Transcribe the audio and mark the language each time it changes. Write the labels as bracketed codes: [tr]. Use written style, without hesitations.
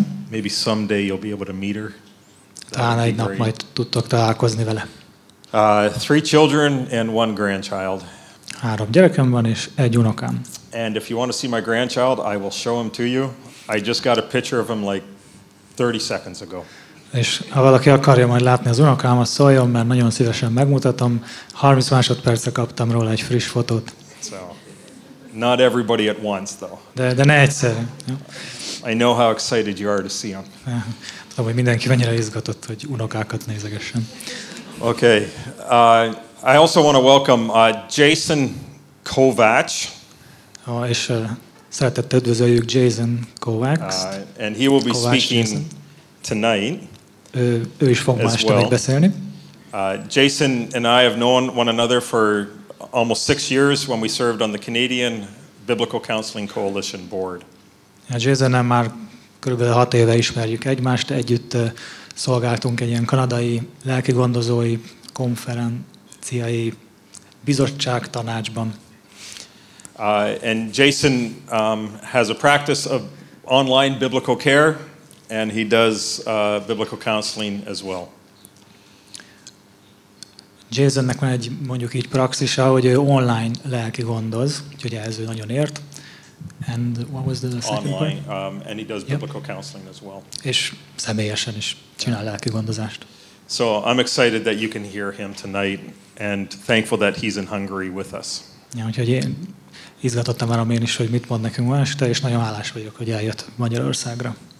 [en] Maybe someday you'll be able to meet her. [hu] Talán egy nap majd tudtok találkozni vele. [en] Three children and one grandchild. [hu] Három gyerekem van és egy unokám. [en] And if you want to see my grandchild, I will show him to you. I just got a picture of him like 30 seconds ago. [hu] És ha valaki akarja majd látni az unokámat, szóljon, mert nagyon szívesen megmutatom. 30 másodperce kaptam róla egy friss fotót. [en] So, not everybody at once, though. [hu] De ne egyszer. [en] I know how excited you are to see him. [hu] Tudom, hogy mindenki mennyire izgatott, hogy unokákat nézegessen. [en] Okay. I also want to welcome Jason Kovács. [hu] És szeretettel üdvözöljük Jason Kovács. [en] And he will be speaking tonight. [hu] Ő is fog ma este megbeszélni. [en] Jason and I have known one another for almost 6 years when we served on the Canadian Biblical Counseling Coalition board. [hu] Jason-nál már körülbelül 6 éve ismerjük egymást, együtt szolgáltunk egy ilyen kanadai lelkigondozói konferenciai bizottság tanácsban. [en] And Jason has a practice of online biblical care, and he does biblical counseling as well. [hu] Jasonnek van egy mondjuk így praxisa, hogy ő online lelki gondoz, úgyhogy ez ő nagyon ért. [en] And what was the second online, part? Online, and he does biblical counseling as well. [hu] És személyesen is csinál lelki gondozást. [en] So I'm excited that you can hear him tonight, and thankful that he's in Hungary with us. [hu] Ja, úgyhogy én izgatottam már én is, hogy mit mond nekünk ma este, és nagyon hálás vagyok, hogy eljött Magyarországra.